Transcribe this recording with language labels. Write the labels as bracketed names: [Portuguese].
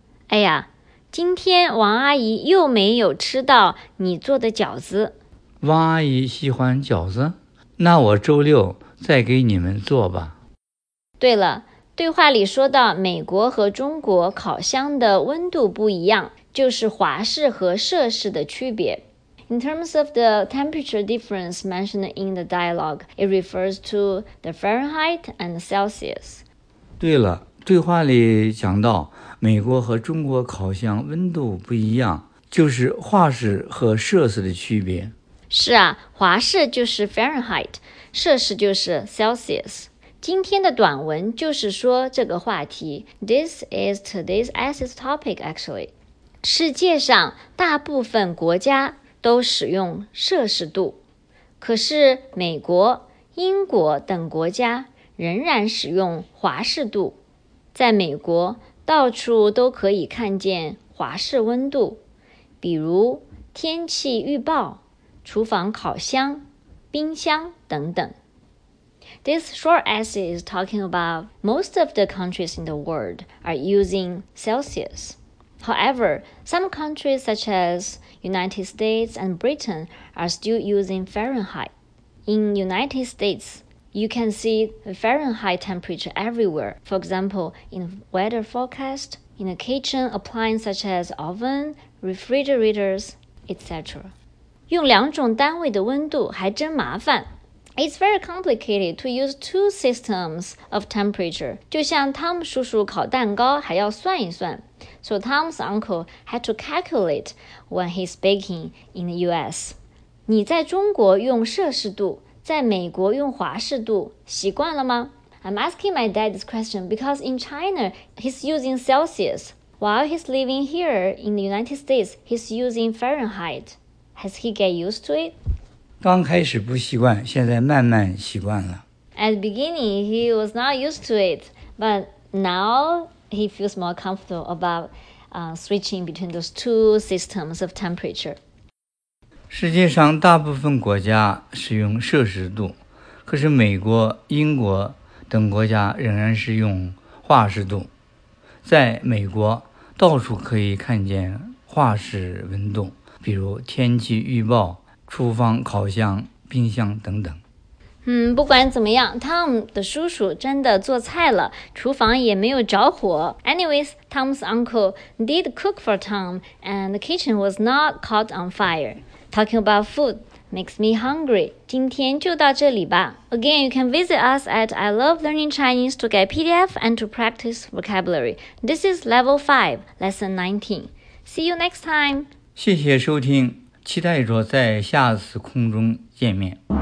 [Chinese] 哎呀，今天王阿姨又没有吃到你做的饺子。王阿姨喜欢饺子？那我周六再给你们做吧。对了，对话里说到美国和中国烤箱的温度不一样，就是华氏和摄氏的区别。 [English] In terms of the temperature difference mentioned in the dialogue, it refers to the Fahrenheit and the Celsius. [Chinese] 对了，对话里讲到美国和中国烤箱温度不一样，就是华氏和摄氏的区别。是啊，华氏就是 Fahrenheit， 摄氏就是 Celsius。今天的短文就是说这个话题。 [English] This is today's essay topic, actually. [Chinese] 世界上大部分国家都使用摄氏度，可是美国、英国等国家仍然使用华氏度。在美国，到处都可以看见华氏温度，比如天气预报、厨房烤箱、冰箱等等。 [English] This short essay is talking about most of the countries in the world are using Celsius. However, some countries such as United States and Britain are still using Fahrenheit. In United States,You can see a Fahrenheit temperature everywhere. For example, in weather forecast, in a kitchen appliance such as oven, refrigerators, etc. [Chinese] 用两种单位的温度还真麻烦。 [English] It's very complicated to use two systems of temperature. [Chinese] 就像 Tom 叔叔烤蛋糕还要算一算。 [English] So Tom's uncle had to calculate when he's baking in the US. [Chinese] 你在中国用摄氏度。在美国用华氏度习惯了吗? [English] I'm asking my dad this question because in China, he's using Celsius. While he's living here in the United States, he's using Fahrenheit. Has he get used to it? [Chinese] 刚开始不习惯,现在慢慢习惯了。 [English] At the beginning, he was not used to it. But now, he feels more comfortable about switching between those two systems of temperature. [Chinese] 世界上大部分国家使用摄氏度，可是美国、英国等国家仍然是用华氏度。在美国，到处可以看见华氏温度，比如天气预报、厨房烤箱、冰箱等等。嗯，不管怎么样 ，Tom 的叔叔真的做菜了，厨房也没有着火。 [English] Anyways, Tom's uncle did cook for Tom, and the kitchen was not caught on fire. Talking about food makes me hungry. [Chinese] 今天就到这里吧。 [English] Again, you can visit us at I Love Learning Chinese to get PDF and to practice vocabulary. This is Level 5, Lesson 19. See you next time. [Chinese] 谢谢收听，期待着在下次空中见面。